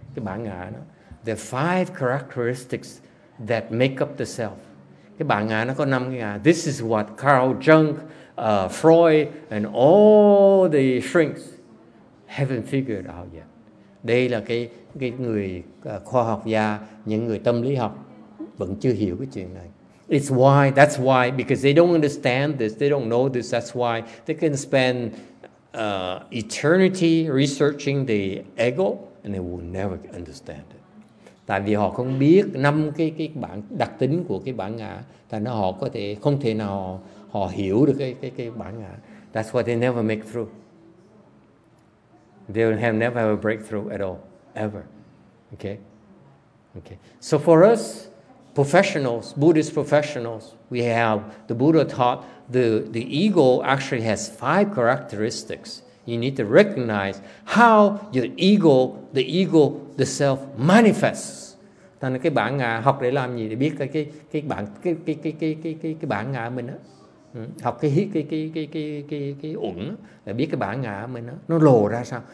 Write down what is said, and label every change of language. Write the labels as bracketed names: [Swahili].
[English] The five characteristics that make up the self. This is what Carl Jung, Freud, and all the shrinks haven't figured out yet. [Vietnamese] Đây là cái người khoa học gia, những người tâm lý học vẫn chưa hiểu cái chuyện này. [English] It's why, that's why, because they don't understand this, they don't know this, that's why they can spend eternity researching the ego and they will never understand it. [Vietnamese] Tại vì họ không biết năm cái bản đặc tính của cái bản ngã, tại nó họ có thể không thể nào họ hiểu được cái bản ngã. [English] That's why they never make through. They will never have a breakthrough at all, ever. Okay. So for us, professionals, Buddhist professionals, we have, the Buddha taught the ego actually has five characteristics. You need to recognize how your ego, the self manifests. [Vietnamese] Thành cái bản ngã học để làm gì, để biết cái bản ngã mình á. Học cái uẩn để biết cái bản ngã mình nó lộ ra sao.